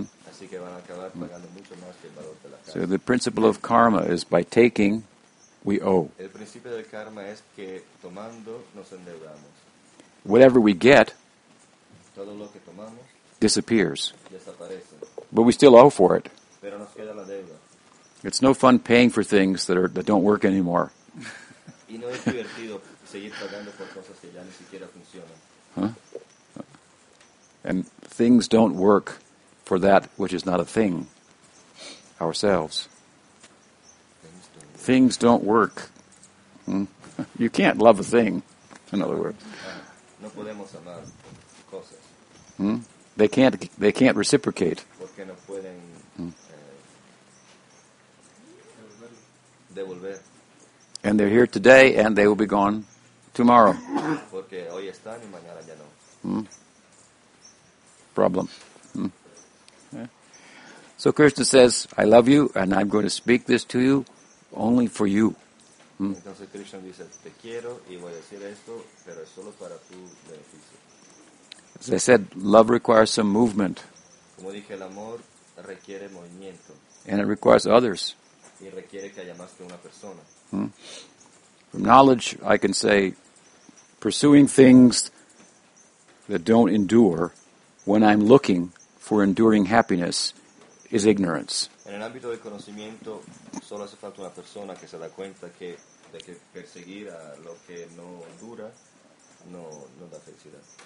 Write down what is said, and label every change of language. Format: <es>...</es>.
<es>Así que van a acabar pagando mucho más que el valor de la casa.</es> <en>So the principle of karma is by taking, we owe.</en> <es>El principio del karma es que tomando nos endeudamos.</es> <en>Whatever we get,</en> <es>todo lo que tomamos,</es> <en>disappears.</en> <es>Desaparece.</es> <en>But we still owe for it.</en> <es>Pero nos queda la deuda.</es> <en>It's no fun paying for things that don't work anymore.</en> <es>Y no es divertido seguir pagando por cosas que ya ni siquiera funcionan.</es> <en>And things don't work for that which is not a thing, ourselves. Things don't work. You can't love a thing, in other words.</en> <es>No podemos amar cosas.</es> <en>They can't reciprocate.</en> <es>Porque no pueden devolver.</es> <en>And they're here today and they will be gone tomorrow.</en> <es>Porque hoy están y mañana ya no.</es> <en>Problem. So Krishna says, "I love you and I'm going to speak this to you only for you."</en> <es>Entonces Krishna dice, te quiero y voy a decir esto, pero es solo para tu beneficio.</es> <en>As I said, love requires some movement.</en> <es>Como dije, el amor requiere movimiento.</es> <en>And it requires others.</en> <es>Y requiere que haya más que una persona.</es> <en>From knowledge, I can say, pursuing things that don't endure when I'm looking for enduring happiness is ignorance.</en> <es>En el ámbito del conocimiento, solo hace falta una persona que se da cuenta que de que perseguir a lo que no dura no da felicidad.</es>